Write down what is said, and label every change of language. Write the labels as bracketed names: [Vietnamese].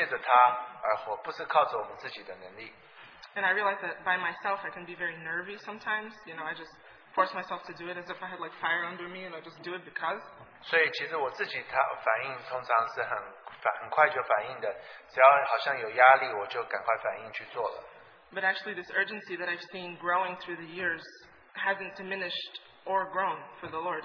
[Chinese] 所以我们就学到说，今天我们只要把我们的心交给他，我们会借着他而活，不是靠着我们自己的能力。 [English] And I realize that by myself, I can be very nervy sometimes. You know, I just force myself to do it as if I had like fire under me, and I just do it because. [Chinese] 所以其实我自己反应通常是很快就反应的，只要好像有压力，我就赶快反应去做了。But [English] actually, this urgency that I've seen growing through the years hasn't diminished or grown for the Lord.